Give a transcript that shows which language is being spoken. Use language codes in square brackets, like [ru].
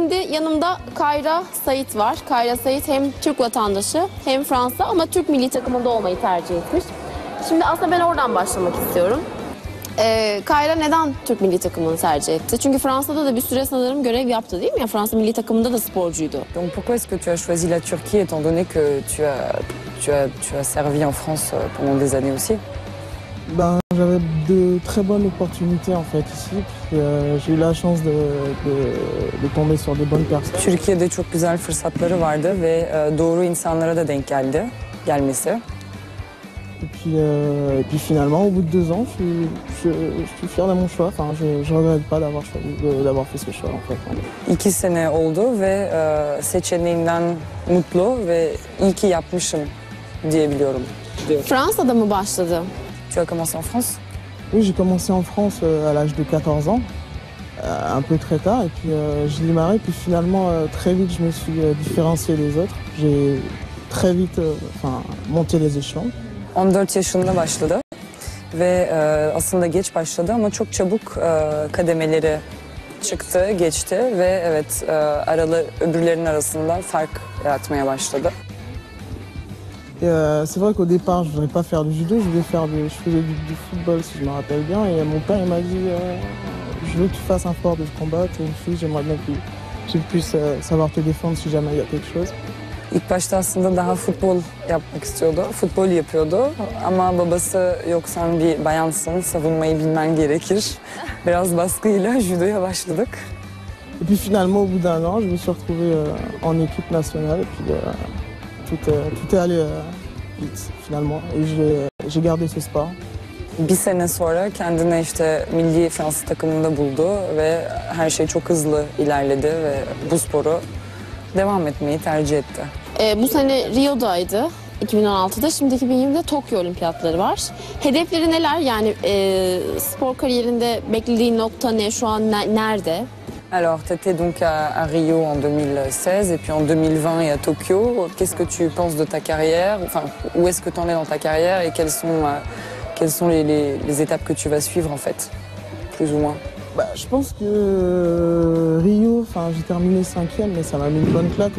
[tr] Yanımda Kayra Sait var. Kayra Sait hem Türk vatandaşı hem Fransa ama Türk milli takımında olmayı tercih etmiş. Şimdi aslında ben oradan başlamak istiyorum. Kayra neden Türk milli takımını tercih etti? Çünkü Fransa'da da bir süre sanırım görev yaptı değil mi? Yani Fransa milli takımında da sporcuydu. [fr] Donc pourquoi est-ce que tu as choisi la Turquie étant donné que tu as servi en France pendant des années aussi? Ben j'avais de très bonnes opportunités en fait ici. J'ai eu la chance de tomber sur de bonnes personnes. [tr] Türkiye'de çok güzel fırsatları vardı ve doğru insanlara da denk geldi gelmesi. [fr] Et puis finalement au bout de deux ans, je suis fier de mon choix. Enfin, je regrette pas d'avoir fait ce choix en fait. [tr] İki sene oldu ve seçeneğinden mutlu ve iyi ki yapmışım diyebiliyorum. Fransa'da mı başladı? [fr] Tu as commencé en France? Oui, j'ai commencé en France à l'âge de 14 ans, un peu très tard, et puis j'ai démarré. Puis finalement, très vite, je me suis différencié des autres. J'ai très vite monté les échelons. [tr] 14 yaşında başladı ve aslında geç başladı ama çok çabuk kademeleri çıktı, geçti ve evet öbürlerinin arasında fark yaratmaya başladı. [fr] C'est vrai qu'au départ, je voulais pas faire du judo, je faisais du football, si je me rappelle bien. Et mon père, il m'a dit, je veux que tu fasses un sport de combat, tu es une fille, j'aimerais bien que tu puisses savoir te défendre si jamais il y a quelque chose. [tr] İlk başta aslında daha futbol yapmak istiyordu, futbol yapıyordu. Ama babası, yok sen bir bayansın, savunmayı bilmen gerekir. Biraz baskıyla judoya başladık. [fr] Et puis finalement, au bout d'un an, je me suis retrouvé en équipe nationale. Et puis, tout est allé vite finalement et j'ai gardé ce sport. [tr] Bir sene sonra kendini işte milli Fransa takımında buldu ve her şey çok hızlı ilerledi ve bu sporu devam etmeyi tercih etti. Bu sene Rio'daydı 2016'da, şimdi 2020'de Tokyo Olimpiyatları var. Hedefleri neler? Yani spor kariyerinde beklediğin nokta ne? Şu an nerede? [fr] Alors, tu étais donc à Rio en 2016 et puis en 2020 et à Tokyo. Qu'est-ce que tu penses de ta carrière? Enfin, où est-ce que tu en es dans ta carrière et quelles sont les étapes que tu vas suivre en fait, plus ou moins? Bah, je pense que Rio, enfin, j'ai terminé 5e, mais ça m'a mis une bonne claque.